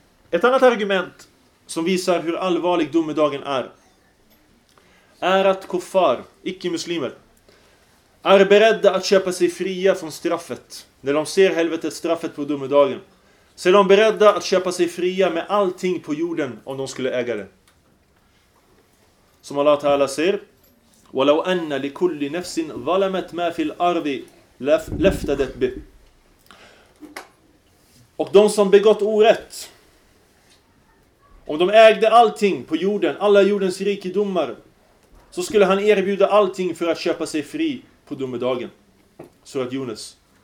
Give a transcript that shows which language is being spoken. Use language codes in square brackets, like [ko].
[sv] Ett annat argument som visar hur allvarlig domedagen är att kuffar, icke-muslimer, är beredda att köpa sig fria från straffet när de ser helvetet, straffet på domedagen. Så är de beredda att köpa sig fria med allting på jorden om de skulle äga det. Som Allah Ta'ala säger: [ar] وَلَوْ أَنَّ لِكُلِّ نَفْسٍ ظَلَمَتْ مَا فِي الْأَرْضِ لَفْتَدَتْ بِهِ. [sv] Och de som begått orätt, om de ägde allting på jorden, alla jordens rikedomar, så skulle han erbjuda allting för att köpa sig fri på domedagen. Surat Yunus.